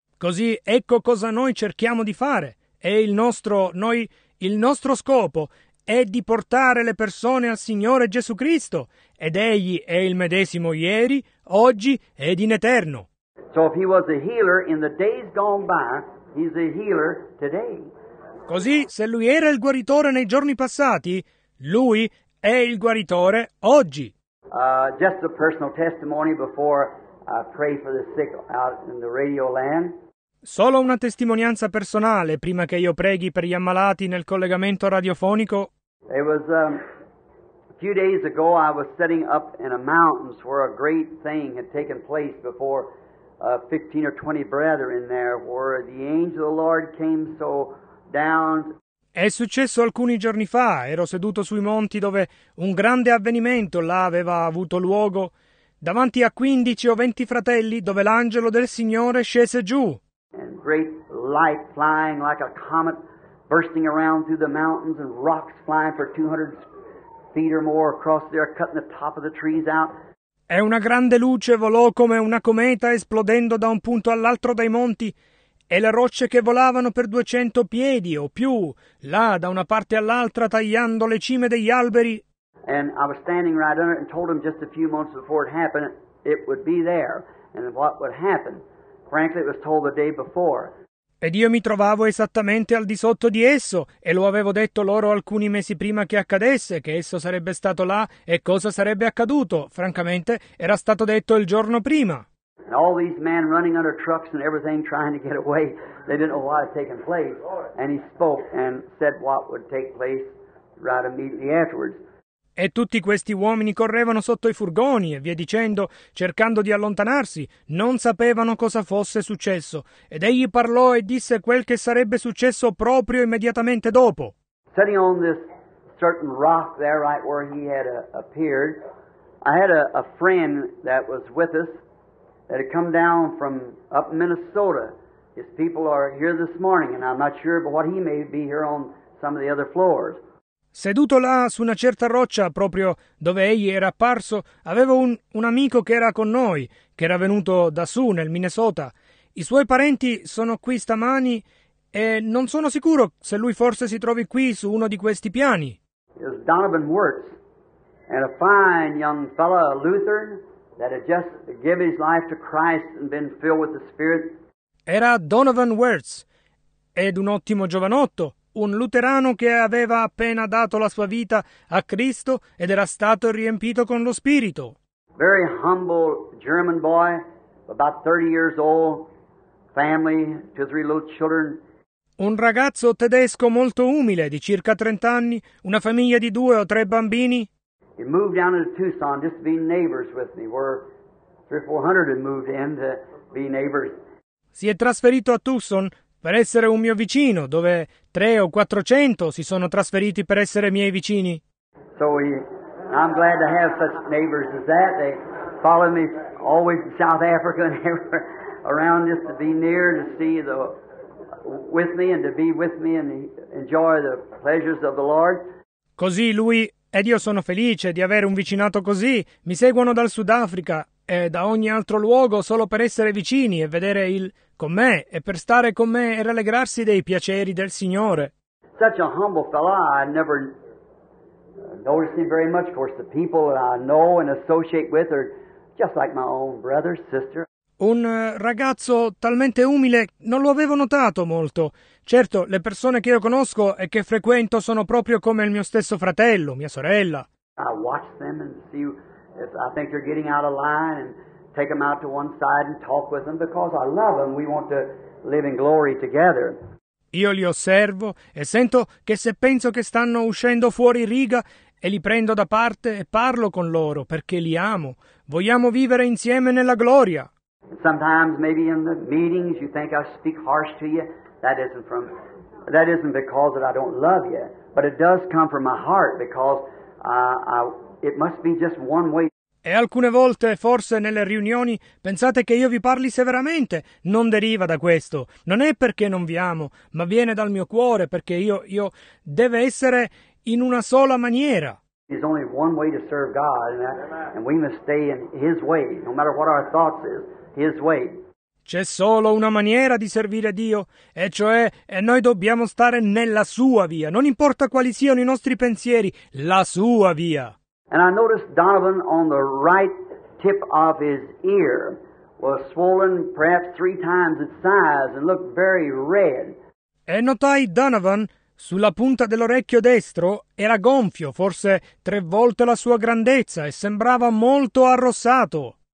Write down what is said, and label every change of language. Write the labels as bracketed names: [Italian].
[Italian] Così, ecco cosa noi cerchiamo di fare. E il nostro scopo è di portare le persone al Signore Gesù Cristo. Ed Egli è il medesimo ieri, oggi ed in eterno. [English] So if he was a healer in the days gone by, he's a healer today. [Italian] Così, se lui era il guaritore nei giorni passati, lui è il guaritore oggi. [English] Just a personal testimony before I pray for the sick out in the radio land. [Italian] Solo una testimonianza personale prima che io preghi per gli ammalati nel collegamento radiofonico. [English] It was a few days ago I was setting up in a mountains where a great thing had taken place before 15 or 20 brethren there where the angel of the Lord came so down. [Italian] È successo alcuni giorni fa, ero seduto sui monti dove un grande avvenimento là aveva avuto luogo, davanti a 15 o 20 fratelli dove l'angelo del Signore scese giù. [English] And great light flying like a comet bursting around through the mountains and rocks flying for 200 feet or more across there cutting the top of the trees out. [Italian] E una grande luce volò come una cometa esplodendo da un punto all'altro dai monti e le rocce che volavano per 200 piedi o più là da una parte all'altra tagliando le cime degli alberi. [English] And I was standing right under it and told him just a few months before it happened it would be there and what would happen. Frankly, it was told the day before. [Italian] Ed io mi trovavo esattamente al di sotto di esso, e lo avevo detto loro alcuni mesi prima che accadesse, che esso sarebbe stato là, e cosa sarebbe accaduto. Francamente, era stato detto il giorno prima. [English] And all these men running under trucks and everything trying to get away, they didn't know what had taken place. And he spoke and said what would take place right immediately afterwards. [Italian] E tutti questi uomini correvano sotto i furgoni e via dicendo, cercando di allontanarsi, non sapevano cosa fosse successo. Ed egli parlò e disse quel che sarebbe successo proprio immediatamente dopo. [English] Sitting on this certain rock there right where he had appeared, I had a friend that was with us that had come down from up Minnesota. His people are here this morning and I'm not sure but what he may be here on some of the other floors. [Italian] Seduto là su una certa roccia, proprio dove egli era apparso, avevo un amico che era con noi, che era venuto da su nel Minnesota. I suoi parenti sono qui stamani e non sono sicuro se lui forse si trovi qui su uno di questi piani. [English] It was Donovan Wirtz, and a fine young fellow, a Lutheran, that had just given his life to Christ and been filled with the Spirit. [Italian] Era Donovan Wirtz, ed un ottimo giovanotto. Un luterano che aveva appena dato la sua vita a Cristo ed era stato riempito con lo Spirito. [English] Very humble German boy, about 30 years old, family, two, three little children. [Italian] Un ragazzo tedesco molto umile, di circa 30 anni, una famiglia di due o tre bambini. [English] He moved down to Tucson just to be neighbors with me. We're 300 or 400 and moved in to be neighbors. [Italian] Si è trasferito a Tucson per essere un mio vicino, dove 300 or 400 si sono trasferiti per essere miei vicini. [English] So I'm glad to have such neighbors as that. They follow me always to South Africa and everywhere around just to be near, to see the with me and to be with me and enjoy the pleasures of the Lord. [Italian] Così lui ed io sono felice di avere un vicinato così. Mi seguono dal Sudafrica da ogni altro luogo solo per essere vicini e vedere il con me e per stare con me e rallegrarsi dei piaceri del Signore. [English] Such a humble fellow, I never noticed him very much. Of course, the people that I know and associate with are just like my own brother, sister. [Italian] Un ragazzo talmente umile, non lo avevo notato molto. Certo, le persone che io conosco e che frequento sono proprio come il mio stesso fratello, mia sorella. [English] I watch them and see if I think they're getting out of line and take them out to one side and talk with them because I love them. We want to live in glory together. [Italian] Io li osservo e sento che se penso che stanno uscendo fuori riga e li prendo da parte e parlo con loro perché li amo. Vogliamo vivere insieme nella gloria. [English] Sometimes maybe in the meetings you think I speak harsh to you. That isn't because that I don't love you, but it does come from my heart because it must be just one way. [Italian] E alcune volte, forse nelle riunioni, pensate che io vi parli severamente. Non deriva da questo. Non è perché non vi amo, ma viene dal mio cuore, perché io deve essere in una sola maniera. [English] There's only one way to serve God, and we must stay in His way, no matter what our thoughts is, His way. [Italian] C'è solo una maniera di servire Dio, e cioè, e noi dobbiamo stare nella Sua via. Non importa quali siano i nostri pensieri, la Sua via. [English] And I noticed Donovan on the right tip of his ear was swollen perhaps three times its size and looked very red. [Italian] E notai Donovan sulla punta dell'orecchio destro era gonfio, forse tre volte la sua grandezza, e sembrava molto arrossato.